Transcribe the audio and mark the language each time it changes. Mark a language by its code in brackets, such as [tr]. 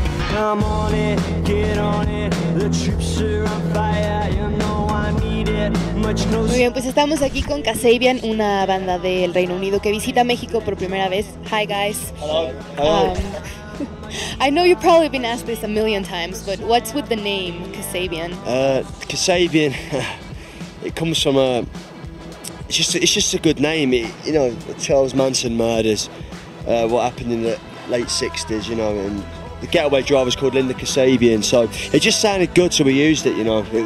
[en] Come on in, get on in, the troops are on fire, you know I need it. [es] Muy bien, pues estamos aquí con Kasabian, una banda del Reino Unido que visita México por primera vez. [en] Hi guys. Hello. I know you've probably been asked this a million times, but what's with the name Kasabian? Kasabian, it comes from it's just a good name. Charles Manson murders, what happened in the late 60s, you know, and the getaway driver's called Linda Kasabian, so it just sounded good, so we used it, you know.